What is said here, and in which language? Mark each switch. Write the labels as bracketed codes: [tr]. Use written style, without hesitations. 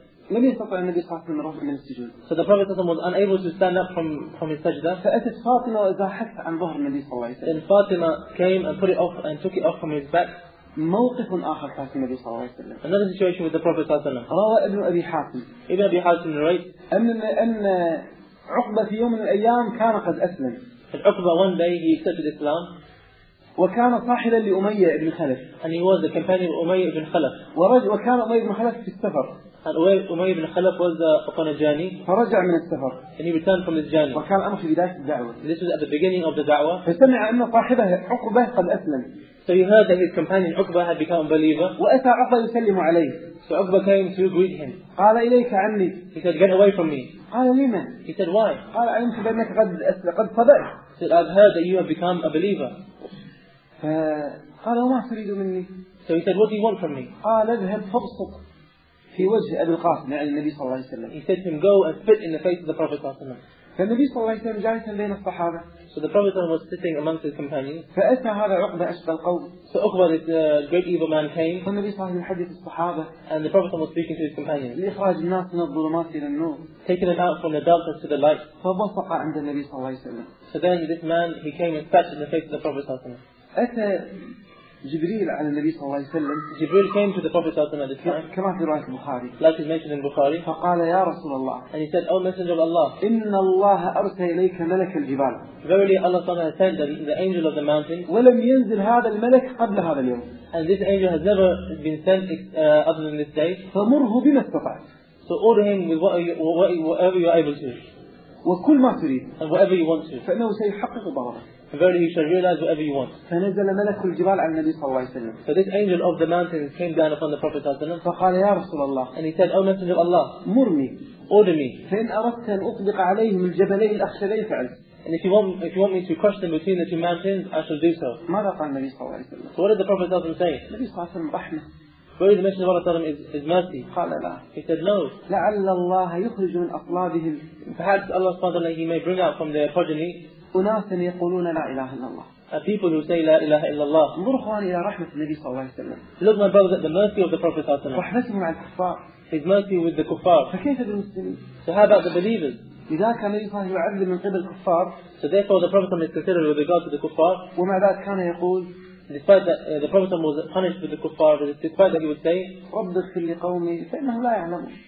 [ar] لم يستطع النبي صلى الله عليه وسلم الرفع من السجود. [en] So the Prophet was unable to stand up from his sajda. [ar] فأتت فاطمة وأزاحته عن ظهر النبي صلى الله عليه وسلم. [en] Then Fatima came and put it off and took it off from his back. [ar] موقف آخر كان في النبي صلى الله عليه وسلم. [en] Another situation with the Prophet [ar] صلى الله عليه وسلم. روى ابن أبي حاتم. [en] Ibn Abi Hatim narrates. [ar] أن عقبة في يوم من الأيام كان قد أسلم. [en] عقبة one day he accepted Islam. [ar] وكان صاحبا لأمية بن خلف. [en] And he was the companion of أمية بن خلف. [ar] وكان أمية بن خلف في السفر. [en] And أمية بن خلف was upon a journey. [ar] فرجع من السفر. [en] And he returned from his journey. [ar] وكان الأمر في بداية الدعوة. [en] This was at the beginning of the دعوة. [ar] فسمع أن صاحبه عقبة قد أسلم. [en] So he heard that his companion عقبة had become a believer. [ar] وأتى عقبة يسلم عليه. [en] So عقبة came to greet him. [ar] قال إليك عني. [en] He said, get away from me. [ar] قال لما؟ [en] He said, why? [ar] قال علمت بأنك قد صدقت. [en] He said, I've heard that you have become a believer. [ar] فقال وما تريد مني؟ [en] So he said, what do you want from me? [ar] قال اذهب فابصق في وجه أبي القاسم يعني النبي صلى الله عليه وسلم. [en] He said to him, go and spit in the face of the Prophet [ar] صلى الله عليه وسلم. فالنبي صلى الله عليه وسلم جالس بين الصحابة. [en] So the Prophet was sitting amongst his companions. [ar] فأتى هذا عقبة أشد القوم. [en] So عقبة, this great evil man came. [ar] فالنبي صلى الله عليه وسلم حدث الصحابة. [en] And the Prophet was speaking to his companions. [ar] لإخراج الناس من الظلمات إلى النور. [en] Taking them out from the darkness to the light. [ar] فبصق عند النبي صلى الله عليه وسلم. [en] So then this man, he came and spat in the face of the Prophet [ar] صلى الله عليه وسلم. أتى جبريل على النبي صلى الله عليه وسلم. [en] جبريل came to the Prophet [ar] صلى الله عليه وسلم [en] at this time. [ar] كما في رواية البخاري. [en] Like is mentioned in Bukhari. [ar] فقال يا رسول الله. [en] And he said, O Messenger of Allah. [ar] إن الله أرسل إليك ملك الجبال. [en] Verily Allah [ar] صلى الله عليه وسلم [en] said that he is the angel of the mountain. [ar] ولم ينزل هذا الملك قبل هذا اليوم. [en] And this angel has never been sent other than this day. [ar] فمره بما استطعت. [en] So order him with whatever you are able to. [ar] وكل ما تريد. [en] And whatever you want to. [ar] فإنه سيحقق بركة. [en] Verily you shall realize whatever you want. [ar] فنزل ملك الجبال على النبي صلى الله عليه وسلم. [en] So this angel of the mountains came down upon the Prophet [ar] صلى الله عليه وسلم. فقال يا رسول الله. [en] And he said, O Messenger of Allah. [ar] مرني. [en] Order me. [ar] فإن أردت أن أطبق عليهم الجبلين الأخشبين فعل. [en] And if you want me to crush them between the two mountains, I shall do so. [ar] ماذا قال النبي صلى الله عليه وسلم؟ [en] So what did the Prophet [ar] صلى الله عليه وسلم [en] say? [ar] النبي صلى الله عليه وسلم رحمة. [en] Verily the mention of Allah is mercy. [ar] قال لا. [en] He said no. [ar] لعل الله يخرج من أطلابهم. [en] Perhaps Allah [ar] صلى الله عليه وسلم, [en] he may bring out from their progeny. [ar] أناس يقولون لا إله إلا الله. [en] A people who say [ar] لا إله إلا الله. انظروا إخواني إلى رحمة النبي صلى الله عليه وسلم. [en] Look my brothers at the mercy of the Prophet [ar] صلى الله عليه وسلم. رحمته مع الكفار. [en] His mercy with the كفار. [ar] فكيف بالمسلمين؟ [en] So how about the believers? [ar] إذا كان النبي صلى الله عليه وسلم يعذب من قبل الكفار. [en] So therefore the Prophet is considered with regard to the كفار. [ar] ومع ذلك كان يقول. [en] Despite that the Prophet was punished with the kuffar, despite that he would say, [ar] رب اغفر لقومي فإنهم لا يعلمون.